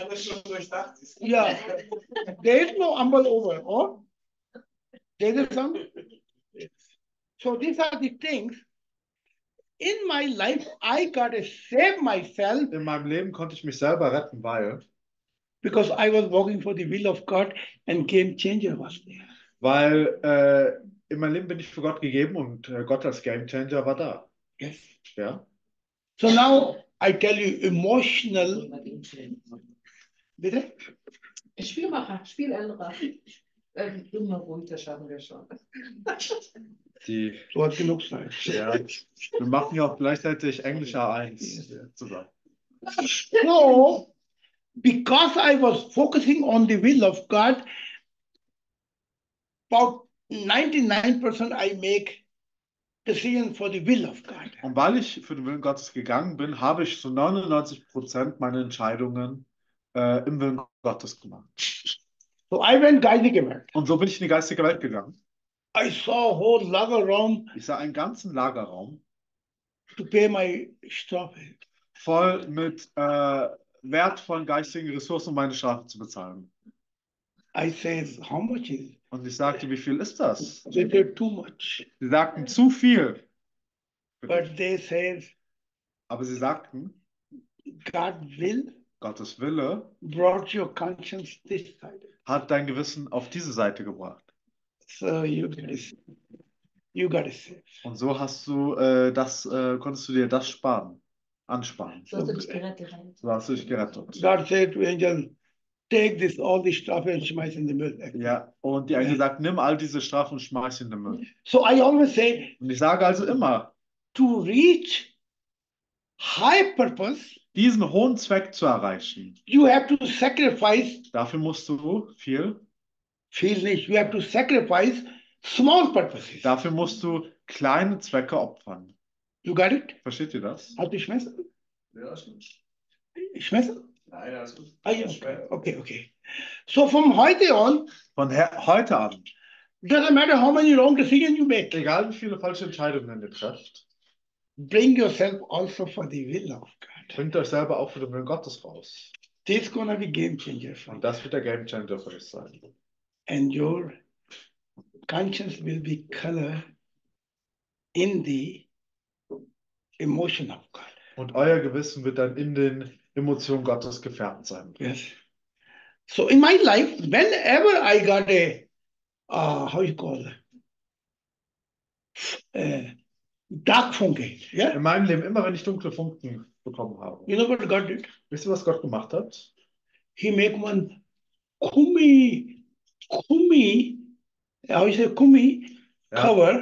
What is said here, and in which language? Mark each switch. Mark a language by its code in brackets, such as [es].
[de] habe das schon durchdacht. Ja. [en] Yeah. There is no humble over, oh? There is some. So these are the things. In my life, I gotta save myself. [de] In meinem Leben konnte ich mich selber retten, weil. [en] Because I was working for the will of God and Game Changer was there. [de] Weil in meinem Leben bin ich für Gott gegeben und Gott als Game Changer war da. [en] Yes. [de] Ja. [en] So now. I tell you, emotional. [de] Bitte? Spielmacher, Spieländerer. Immer runter schaffen wir schon. Die, du hast genug Zeit. Ja, wir machen ja auch gleichzeitig Englisch A1 zusammen. [en] So, because I was focusing on the will of God, about 99% I make. For the will of God. [de] Und weil ich für den Willen Gottes gegangen bin, habe ich zu 99% meiner Entscheidungen im Willen Gottes gemacht. [en] So I went [de] geistige Welt. Und so bin ich in die geistige Welt gegangen. [en] I saw a whole lager room, [de] ich sah einen ganzen Lagerraum [en] to pay my strafe. [de] Voll mit wertvollen geistigen Ressourcen, um meine Strafe zu bezahlen. [en] I said, how much is it? [de] Und ich sagte, wie viel ist das? [en] They said too much. [de] Sie sagten zu viel. [en] But they said, [de] aber sie sagten, [en] God will, [de] Gottes Wille [en] brought your conscience this side. [de] Hat dein Gewissen auf diese Seite gebracht. [en] So you got to save. [de] Und so hast du das konntest du dir das sparen, ansparen. So hast du dich gerettet. [en] God said to Angel, take this all the Strafe and [de] schmeiß [en] in the Müll. [de] Ja, und die Engel sagt, nimm all diese Strafe und schmeiß in den Müll. [en] So I always say, [de] und ich sage also immer, [en] to reach high purpose, [de] diesen hohen Zweck zu erreichen, [en] you have to sacrifice, [de] dafür musst du viel, viel nicht, [en] you have to sacrifice small purposes. [de] Dafür musst du kleine Zwecke opfern. [en] You got it? [de] Versteht ihr das? Habt ihr Schmesser? Ja, stimmt. Ich Schmesser? Nein, das ist gut. Okay. So von heute an. Von heute an. [en] Doesn't matter how many wrong decisions you make. [de] Egal wie viele falsche Entscheidungen ihr trefft. [en] Bring yourself also for the will of God. [de] Bringt euch selber auch für den Willen Gottes raus. [en] This gonna be game changer for [de] Und das wird der Game Changer für euch sein. [en] And your conscience will be color in the emotion of God. [de] Und euer Gewissen wird dann in den Emotion Gottes gefärbt sein. [en] Yes. So in my life, whenever I got a, how you call it, dark funke. Yeah? [de] In meinem Leben, immer wenn ich dunkle Funken bekommen habe. [en] You know what God did? [de] Wisst ihr, was Gott gemacht hat? [en] He make one kumi, kumi, how you say kumi, cover.